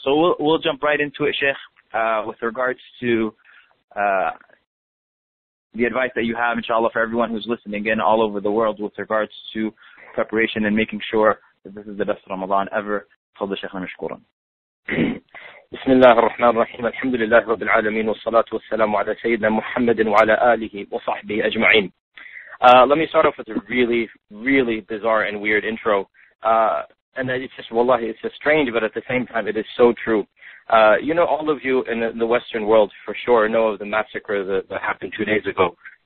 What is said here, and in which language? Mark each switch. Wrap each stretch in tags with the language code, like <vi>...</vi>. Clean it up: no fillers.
<en>So we'll jump right into it, شيخ, with regards to the advice that you have, inshallah, for everyone who's listening in all over the world with regards to preparation and making sure that this is the best Ramadan ever.</en> <ar>تفضل شيخنا مشكورا. بسم الله الرحمن الرحيم. الحمد لله رب العالمين والصلاة والسلام على سيدنا محمد وعلى آله وصحبه أجمعين.</ar> <en>Let me start off with a really, really bizarre and weird intro. And it's just, wallahi, it's just strange, but at the same time, it is so true. You know, all of you in the Western world for sure know of the massacre that happened 2 days ago.</en>